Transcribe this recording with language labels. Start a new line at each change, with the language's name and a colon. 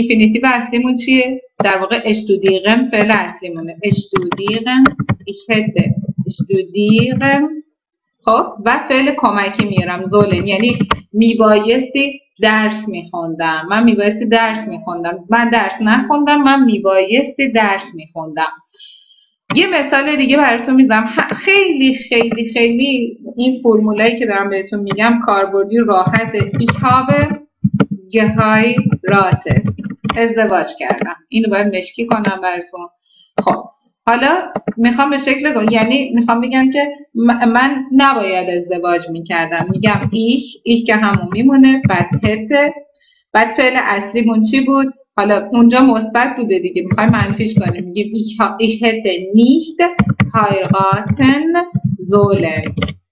Persian: اینفینیتیو اصلیمون چیه؟ در واقع اشتودیغم فعل اصلیمونه، اشتودیغم
German: ich hätte
Persian: اشتودیغم، خب و فعل کمکی میارم زولن، یعنی میبایستی درس میخوندم، من میبایستی درس میخوندم، من درس نخوندم، من میبایستی درس میخوندم. یه مثال دیگه براتون میذارم، خیلی خیلی خیلی این فرمولایی که دارم بهتون میگم کاربردی راحته.
German: ich habe geheiratet،
Persian: ازدواج کردم. اینو باید مشکی کنم براتون. خب حالا میخوام به شکل دو، یعنی میخوام بگم که من نباید ازدواج میکردم، میگم ich که همون میمونه، بعد hätte، بعد فعل اصلیمون چی بود؟ حالا اونجا مثبت بوده دیگه، میخوای منفیش کنی، میگیم
German: ich hätte nicht heiraten sollen.